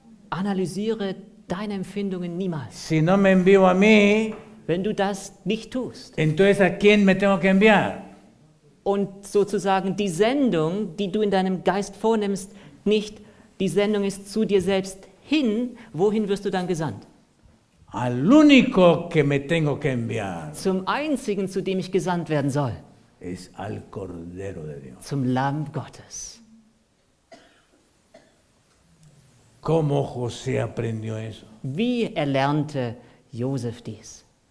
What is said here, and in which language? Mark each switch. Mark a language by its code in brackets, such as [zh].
[de] Analysiere deine Empfindungen niemals. [es] Si no me envío a mí, [de] wenn du das nicht tust. [es] Entonces, ¿a quién me tengo que enviar? [de] Und sozusagen die Sendung, die du in deinem Geist vornimmst, nicht die Sendung ist zu dir selbst hin, wohin wirst du dann gesandt? [es] Al único que me tengo que enviar. [de] Zum einzigen, zu dem ich gesandt werden soll. [es] Es al Cordero de Dios. [de] Zum Lamm Gottes. [es] ¿Cómo José aprendió eso? [de] Wie erlernte Josef dies?